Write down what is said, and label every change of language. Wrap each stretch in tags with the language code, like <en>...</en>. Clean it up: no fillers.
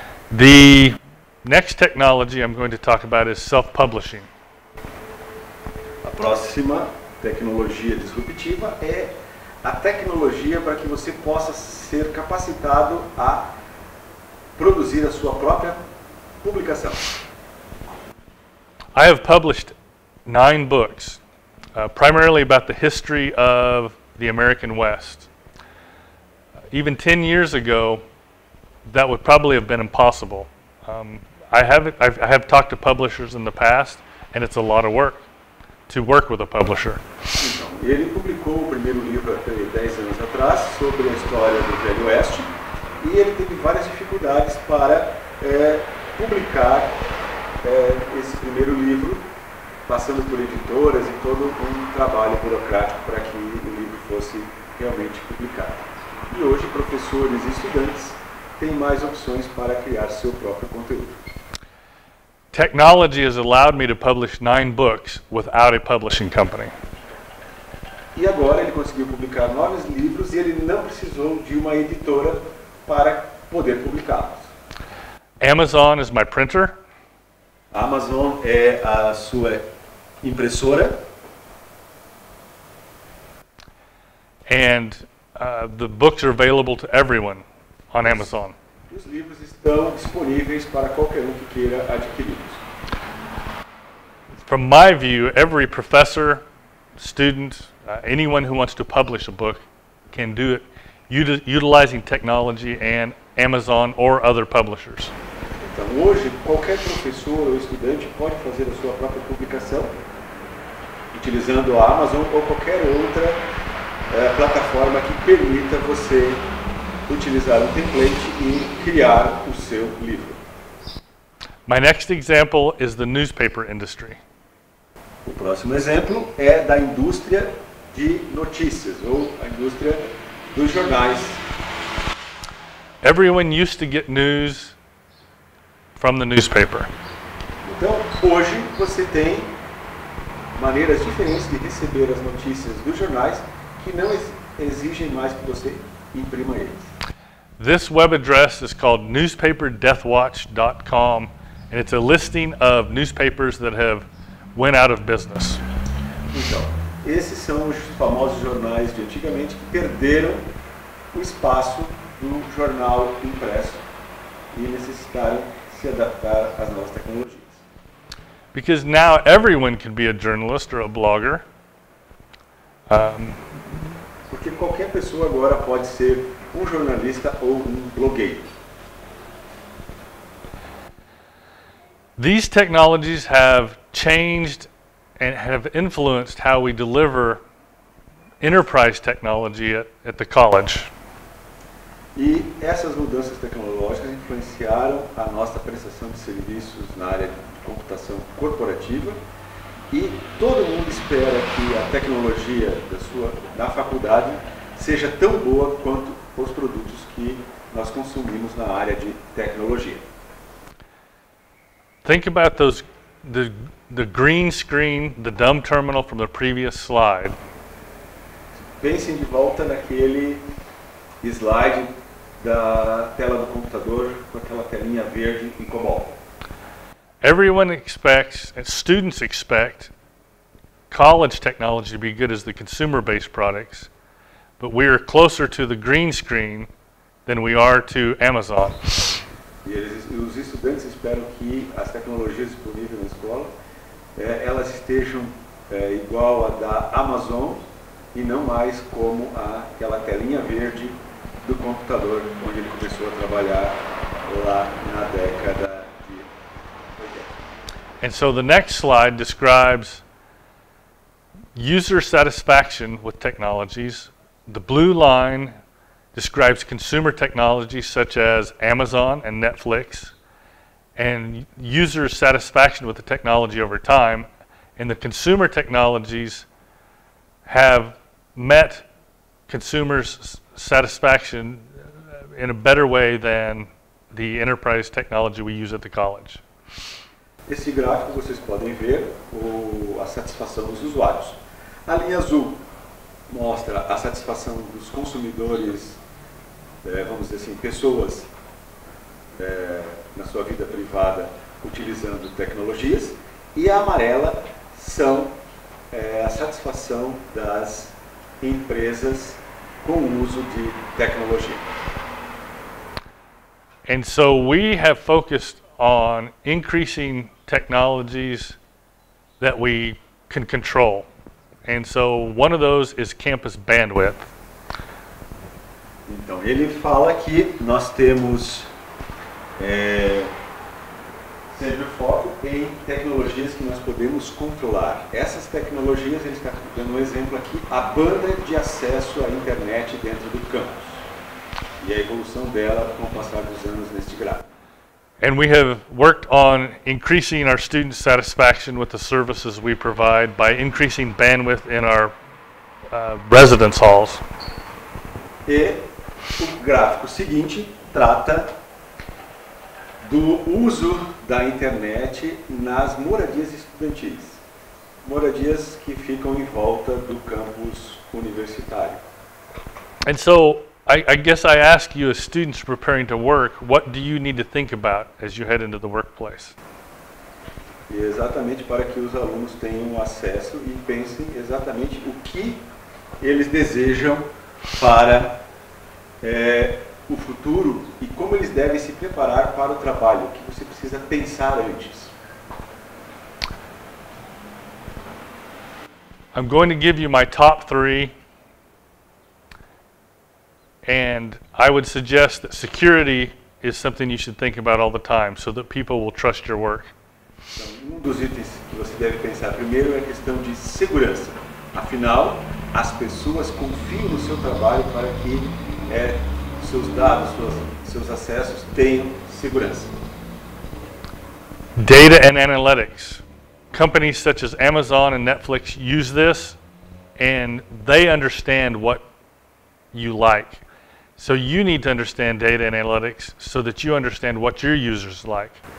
<en>The next technology I'm going to talk about is self-publishing.</en> <pt>A próxima tecnologia disruptiva é a tecnologia para que você possa ser capacitado a produzir a sua própria publicação.</pt> <en>I have published 9 books, primarily about the history of the American West. Even 10 years ago, that would probably have been impossible. I have talked to publishers in the past, and it's a lot of work to work with a publisher.</en> <pt>Então, ele publicou o primeiro livro há 10 anos atrás sobre a história do Velho Oeste, e ele teve várias dificuldades para publicar esse primeiro livro, passando por editoras e todo um trabalho burocrático para que o livro fosse realmente publicado. E hoje, professores e estudantes têm mais opções para criar seu próprio conteúdo.</pt> <en>Technology has allowed me to publish 9 books without a publishing company.</en> <pt>E agora ele conseguiu publicar 9 livros e ele não precisou de uma editora para poder publicá-los.</pt> <en>Amazon is my printer.</en> <pt>Amazon é a sua impressora.</pt> <en>And the books are available to everyone on Amazon.</en> <pt>Os livros estão disponíveis para qualquer que queira adquiri-los.</pt> <en>From my view, every professor, student, anyone who wants to publish a book can do it utilizing technology and Amazon or other publishers.</en> <pt>Então, hoje, qualquer professor ou estudante pode fazer a sua própria publicação utilizando a Amazon ou qualquer outra plataforma que permita você utilizar um template e criar o seu livro.</pt> <en>My next example is the newspaper industry.</en> <pt>O próximo exemplo é da indústria de notícias ou a indústria dos jornais.</pt> <en>Everyone used to get news from the newspaper.</en> <pt>Então, hoje você tem maneiras diferentes de receber as notícias dos jornais que não exigem mais que você imprima eles.</pt> <en>This web address is called newspaperdeathwatch.com and it's a listing of newspapers that have went out of business.</en> <pt>Então, esses são os famosos jornais de antigamente que perderam o espaço do jornal impresso e necessitaram se adaptar às novas tecnologias.</pt> <en>Because now everyone can be a journalist or a blogger.</en> <pt>Porque qualquer pessoa agora pode ser um jornalista ou um blogueiro.</pt> <en>These technologies have changed and have influenced how we deliver enterprise technology at the college.</en> <pt>E essas mudanças tecnológicas influenciaram a nossa prestação de serviços na área de computação corporativa e todo mundo espera que a tecnologia da faculdade seja tão boa quanto os produtos que nós consumimos na área de tecnologia.</pt> <en>Think about the green screen, the dumb terminal from the previous slide.</en> <pt>Pensem de volta naquele slide da tela do computador com aquela telinha verde e cobol.</pt> <en>Everyone expects, and students expect, college technology to be good as the consumer-based products, but we are closer to the green screen than we are to Amazon.</en> <pt>E os estudantes esperam que as tecnologias disponíveis na escola elas estejam igual a da Amazon e não mais como aquela telinha verde do computador onde ele começou a trabalhar lá na década de 80.</pt> <en>And so the next slide describes user satisfaction with technologies. The blue line describes consumer technologies such as Amazon and Netflix, and user satisfaction with the technology over time. And the consumer technologies have met consumers' satisfaction in a better way than the enterprise technology we use at the college.</en> <pt>Esse gráfico vocês podem ver a satisfação dos usuários. A linha azul mostra a satisfação dos consumidores, vamos dizer assim, pessoas na sua vida privada utilizando tecnologias, e a amarela são a satisfação das empresas com o uso de tecnologia.</pt> <en>And so we have focused on increasing technologies that we can control. And so one of those is campus bandwidth.</en> <pt>Então, ele fala que nós temos sempre o foco em tecnologias que nós podemos controlar. Essas tecnologias, ele está dando um exemplo aqui, a banda de acesso à internet dentro do campus. E a evolução dela com o passar dos anos neste gráfico.</pt> <en>And we have worked on increasing our student satisfaction with the services we provide by increasing bandwidth in our residence halls.</en> <pt>E o gráfico seguinte trata do uso da internet nas moradias estudantis, moradias que ficam em volta do campus universitário.</pt> <en>And so I guess I ask you, as students preparing to work, what do you need to think about as you head into the workplace?</en> <pt>Exatamente para que os alunos tenham acesso e pensem exatamente o que eles desejam para o futuro e como eles devem se preparar para o trabalho, o que você precisa pensar antes.</pt> <en>I'm going to give you my top three. And I would suggest that security is something you should think about all the time so that people will trust your work.</en> <pt>Então, dos itens que você deve pensar primeiro é a questão de segurança. Afinal, as pessoas confiam no seu trabalho para que seus dados, seus acessos tenham segurança.</pt> <en>Data and analytics. Companies such as Amazon and Netflix use this, and they understand what you like. So you need to understand data and analytics so that you understand what your users like.</en>